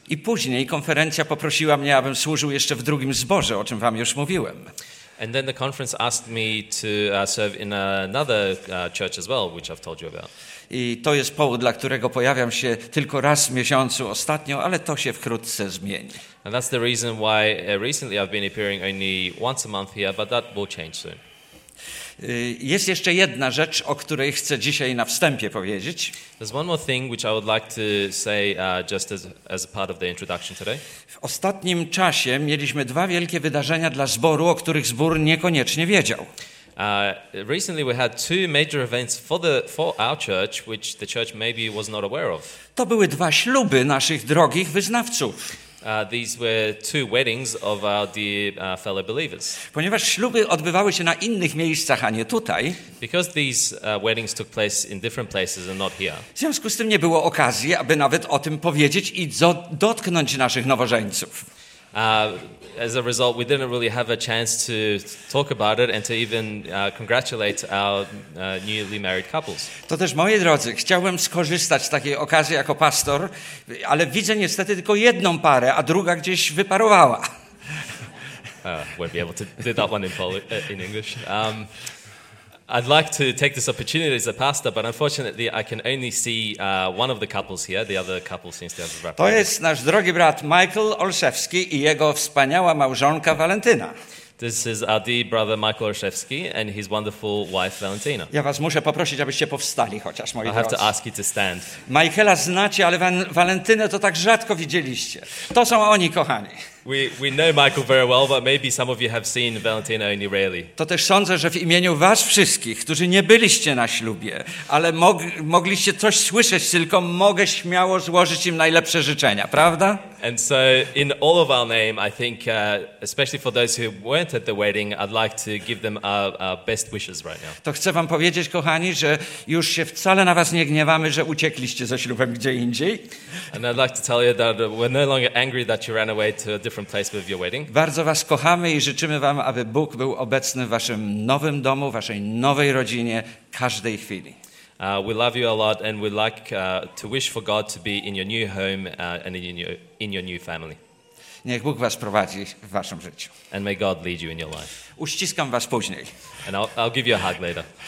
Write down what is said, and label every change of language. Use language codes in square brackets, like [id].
[pl] I później konferencja poprosiła mnie, abym służył jeszcze w drugim zborze, o czym wam już mówiłem. [en] And then the conference asked me to serve in another church as well, which I've told you about. [pl] I to jest powód, dla którego pojawiam się tylko raz w miesiącu ostatnio, ale to się wkrótce zmieni. [en] And that's the reason why recently I've been appearing only once a month here, but that will change soon. [pl] Jest jeszcze jedna rzecz, o której chcę dzisiaj na wstępie powiedzieć. [en] There's one more thing which I would like to say just as part of the introduction today. [pl] W ostatnim czasie mieliśmy dwa wielkie wydarzenia dla zboru, o których zbór niekoniecznie wiedział. [en] Recently we had two major events for our church which the church maybe was not aware of. [pl] To były dwa śluby naszych drogich wyznawców. [en] These were two weddings of our dear fellow believers. [pl] Ponieważ śluby odbywały się na innych miejscach, a nie tutaj. [en] Because these weddings took place in different places and not here. [pl] W związku z tym nie było okazji, aby nawet o tym powiedzieć i dotknąć naszych nowożeńców. [en] As a result, we didn't really have a chance to talk about it and to even congratulate our newly married couples. [pl] To też, moi drodzy, chciałem skorzystać z takiej okazji jako pastor, ale widzę niestety tylko jedną parę, a druga gdzieś wyparowała. [en] Won't be able to do that one in English. I'd like to take this opportunity as a pastor, but unfortunately I can only see one of the couples here. The other couple seems to have wrapped up. [pl] To jest nasz drogi brat Michael Olszewski i jego wspaniała małżonka Valentina. [en] This is our dear brother Michael Olszewski and his wonderful wife Valentina. [pl] Ja was muszę poprosić, abyście powstali chociaż, moi drodzy. [en] I have to ask you to stand. [pl] Michaela znacie, ale Valentynę to tak rzadko widzieliście. To są oni, kochani. [en] We know Michael very well, but maybe some of you have seen Valentina only rarely. [pl] To też sądzę, że w imieniu was wszystkich, którzy nie byliście na ślubie, ale mogliście coś słyszeć, tylko mogę śmiało złożyć im najlepsze życzenia, prawda? [en] And so in all of our name, I think especially for those who weren't at the wedding, I'd like to give them our best wishes right now. [pl] To chcę wam powiedzieć, kochani, że już się wcale na was nie gniewamy, że uciekliście ze ślubem gdzie indziej. [en] And I'd like to tell you that we're no longer angry that you ran away to different place with your wedding. [pl] Bardzo was kochamy i życzymy wam, aby Bóg był obecny w waszym nowym domu, waszej nowej rodzinie każdej chwili. [en] We love you a lot and we'd like to wish for God to be in your new home and in your new family. [pl] Niech Bóg was prowadzi w waszym życiu. [en] And may God lead you in your life. [pl] Uściskam was później. [en] And I'll give you a hug later.